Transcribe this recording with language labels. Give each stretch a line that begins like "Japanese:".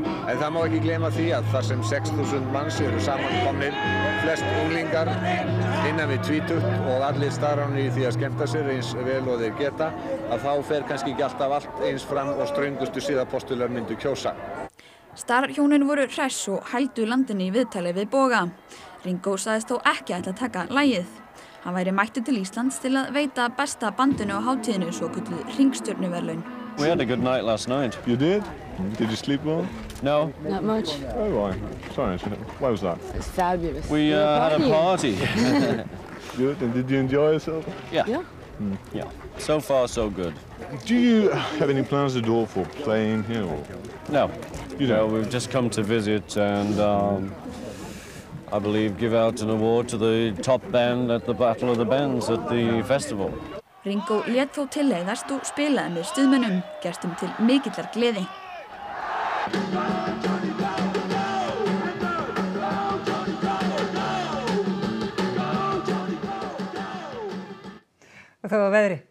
Icelandic: En það má ekki gleyma því að þar sem 6.000 manns eru samankomnir, flest unglingar innan við tvítugt og allir starfarnir í því að skemmta sér eins vel og þeir geta, að þá fer kannski ekki alltaf allt eins fram og ströngustu síðapostular myndu kjósa. Starhjónin voru hress og hældu landinni í viðtali við Boga. Ringo sagðist þó ekki að taka lagið. Hann væri mættur til Íslands til að veita besta bandinu á hátíðinu svo kölluð hringstjörnuverlaun.
English: We had a good night last night. You did? Did you sleep well? No. Not much. Oh, why? Sorry, why was that? It's fabulous. We had a party. Good, and did you enjoy yourself? Yeah. Yeah. Mm. Yeah. So far, so good. Do you have any plans at all for playing here? Or? No. You don't? No, we've just come to visit and I believe give out an award to the top band at the Battle of the Bands at the festival.
Icelandic: Ringo lét þó tilleiðast og spilaði með stuðmönnum, gestum til mikillar gleði. Og það var veðri.